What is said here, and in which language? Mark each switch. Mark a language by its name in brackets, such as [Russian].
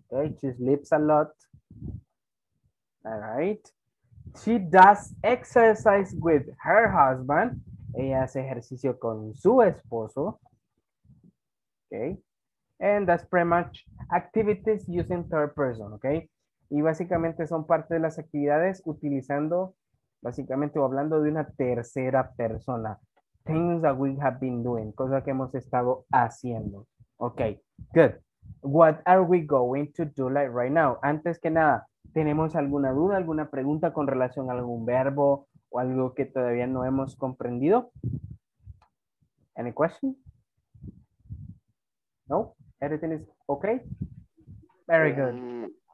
[English] Okay? She sleeps a lot. All right. She does exercise with her husband. [Spanish] Ella hace ejercicio con su esposo. Okay. [English] And that's pretty much activities using third person. Okay. [Spanish] Y básicamente son parte de las actividades utilizando, básicamente hablando de una tercera persona. [English] Things that we have been doing. [Spanish] Cosas que hemos estado haciendo. [English] Okay. Good. What are we going to do like right now? [Spanish] Antes que nada, ¿tenemos alguna duda, alguna pregunta con relación a algún verbo o algo que todavía no hemos comprendido? [English] Any question? No? Everything is okay? Very good.